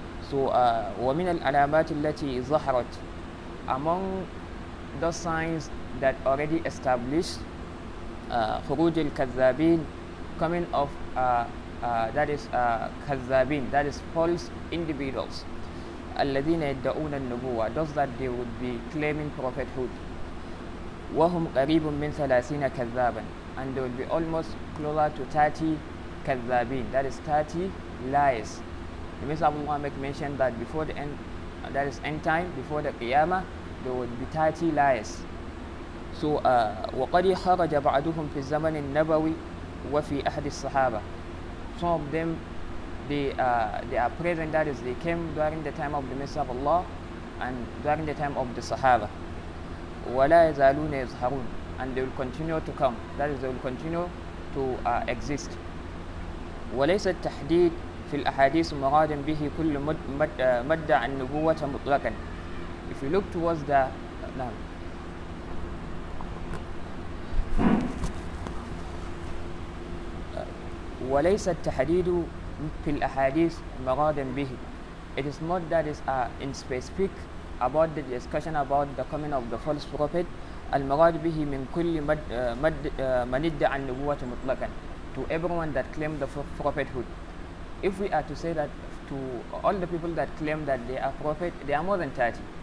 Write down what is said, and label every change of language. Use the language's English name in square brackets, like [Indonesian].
[English] So, [Arabic] ومن العلامات التي ظهرت, [English] among those signs that already established, [Arabic] خروج الكذابين, [English] coming of كذابين, that is false individuals, [Arabic] الذين يدعون النبوة, [English] those that they would be claiming prophethood, [Arabic] وهم قريب من 30 كذابا, [English] and they would be almost closer to 30 كذابين, that is 30 lies. The Messenger of Allah make mention that before the end, that is end time, before the Qiyamah, there would be 30 lies. [Arabic] So وقد خرج بعضهم في الزمن النبوي وفي أحد الصحابة. [English] Some of them, they are present, that is, they came during the time of the Messenger of Allah and during the time of the Sahaba. [Arabic] ولا يزالون يظهرون, [English] and they will continue to come, that is, they will continue to exist. [Arabic] وليس التحديد في الأحاديث مراد به كل مدعى النبوة مطلقا. [English] If you look towards the [Arabic] وليس التحديد في الأحاديث مراد به. [English] It is not that is in specific about the discussion about the coming of the false prophet. [Arabic] المراد به من كل من ادعى النبوة مطلقا, [English] to everyone that claimed the prophethood. If we are to say that to all the people that claim that they are prophet, they are more than 30.